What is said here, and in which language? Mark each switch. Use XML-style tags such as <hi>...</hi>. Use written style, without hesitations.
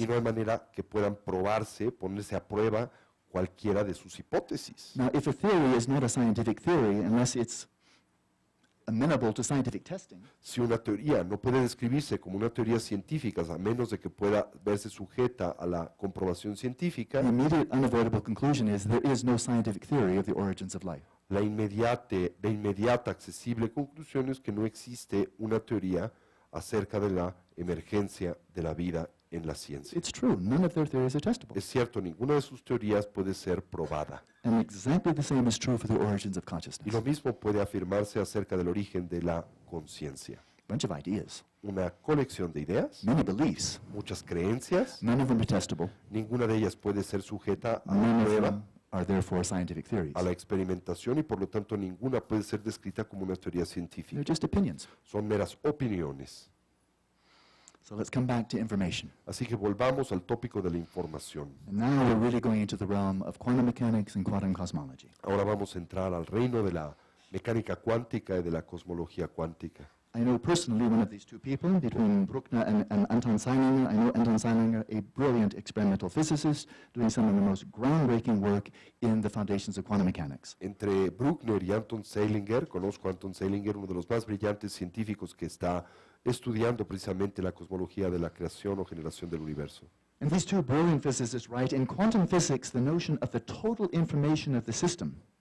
<es>Y no hay manera que puedan probarse, ponerse a prueba cualquiera de sus hipótesis.</es> <en>Now, if a theory is not a scientific theory, unless it's amenable to scientific testing.</en> <es>Si una teoría no puede describirse como una teoría científica a menos de que pueda verse sujeta a la comprobación científica,</es> <en>the immediate unavoidable conclusion is there is no scientific theory of the origins of life.</en> <es>La inmediata accesible conclusión es que no existe una teoría acerca de la emergencia de la vida en la ciencia.</es> <en>It's true, none of their theories are testable.</en> <es>Es cierto, ninguna de sus teorías puede ser probada.</es> <en>And exactly the same is true for the origins of consciousness.</en> <es>Y lo mismo puede afirmarse acerca del origen de la conciencia.</es> <en>Bunch of ideas.</en> <es>Una colección de ideas.</es> <en>Many beliefs.</en> <es>Muchas creencias.</es> <en>None of them are testable.</en> <es>Ninguna de ellas puede ser sujeta a</es> <en>None</en> <es>la prueba.</es> <en>Of them are therefore scientific theories.</en> <es>A la experimentación y por lo tanto ninguna puede ser descrita como una teoría científica.</es> <en>They're just opinions.</en> <es>Son meras opiniones.</es> <en>So let's come back to information.</en> <es>Así que volvamos al tópico de la información.</es> <en>And now we're really going into the realm of quantum mechanics and quantum cosmology.</en> <es>Ahora vamos a entrar al reino de la mecánica cuántica y de la cosmología cuántica.</es> <en>I know personally one of these two people, between Bruckner and Anton Zeilinger. I know Anton Zeilinger, a brilliant experimental physicist, doing some of the most groundbreaking work in the foundations of quantum mechanics.</en> <es>Entre Bruckner y Anton Zeilinger, conozco a Anton Zeilinger, uno de los más brillantes científicos que está estudiando precisamente la cosmología de la creación o generación del universo.</es> <en>And these two brilliant physicists write in quantum physics the notion of the total information of the system.</en>